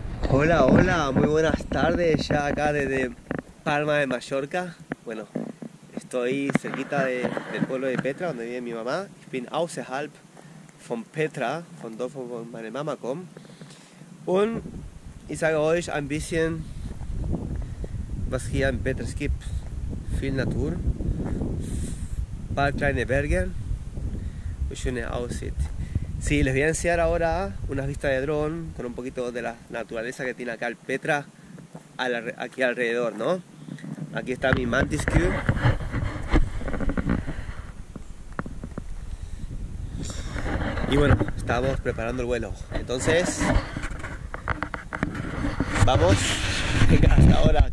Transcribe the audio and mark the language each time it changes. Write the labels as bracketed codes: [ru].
[es] Hola, hola, muy buenas tardes, ya acá desde Palma de Mallorca. Bueno, estoy cerquita del pueblo de Petra, donde vive mi mamá. [de] Ich bin außerhalb von Petra, von Dorf, wo meine Mama kommt. Und ich sage euch ein bisschen, was hier in Petra es gibt. Viel Natur, ein paar kleine Berge, eine schöne Aussicht. [es] Sí, les voy a enseñar ahora unas vistas de dron con un poquito de la naturaleza que tiene acá el Petra aquí alrededor, ¿no? Aquí está mi Mantis Q. Y bueno, estamos preparando el vuelo. Entonces, vamos. Venga, hasta ahora.